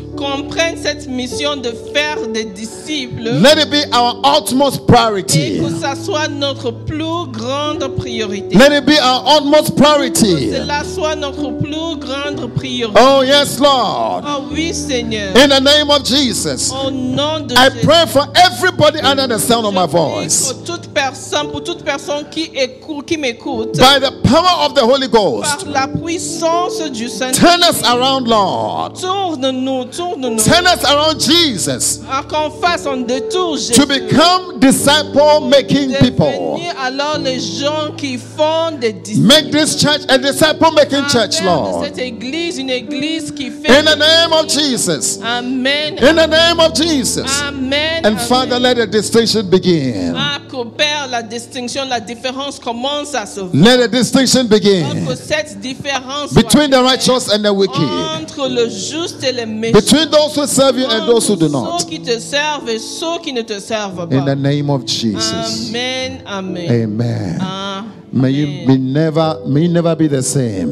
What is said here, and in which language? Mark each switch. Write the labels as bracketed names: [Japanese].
[French] Comprenne cette mission de faire des disciples. [English] Let it be our utmost priority. [French] Et que ça soit notre plus grande priorité. [English] Let it be our utmost priority. [French] Et que cela soit notre plus grande priorité. [English] Oh yes, Lord. [French] Oh oui, Seigneur. [English] In the name of Jesus. [French] Au nom de [English] Jésus. I pray for everybody under the sound of my voice. [French] Pour toute personne. puissant pour toute personne qui écoute, qui m'écoute. [English] By the power of the Holy Ghost. [French] Par la puissance du Saint-Esprit. [English] Turn us around, Lord. [French] Tourne-nous, tourne-nous. [English] Turn us around, Jesus. [French] À qu'on fasse un détour, Jésus. [English] To become disciple-making people. [French] Devenir alors les gens qui font des disciples. [English] Make this church a disciple-making church, Lord. [French] Cette église, une église qui fait. [English] In the name of Jesus. Amen. In the name of Jesus. Amen. And Father, let the distinction begin. [French] La distinction, la différence commence à se voir. [English] Let the distinction begin. [French] Cette différence [English] between the righteous and the wicked. [French] Entre le juste et le méchant. [English] Between those who serve you and those who do not. [French] Ceux qui te servent et ceux qui ne te servent pas. [English] In the name of Jesus. Amen. Amen. Amen. Amen. May you be never, may you never be the same.